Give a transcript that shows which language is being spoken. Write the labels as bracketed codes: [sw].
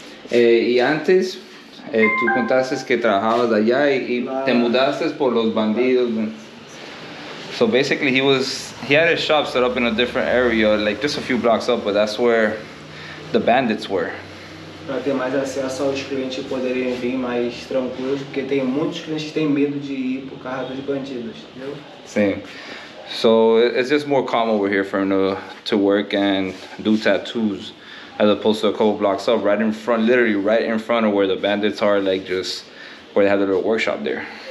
[es] Y antes, tú contaste que trabajabas allá y te mudaste por los bandidos. [en] So basically he had a shop set up in a different area, like just a few blocks up, but that's where the bandits were. [pt] Para ter mais acesso aos clientes poderem vir mais tranquilos, porque tem muitos clientes que têm medo de ir por causa dos bandidos, entendeu? Sim. [en] So it's just more calm over here for him to work and do tattoos, as opposed to a couple blocks up, right in front, literally right in front of where the bandits are, like just where they have their little workshop there.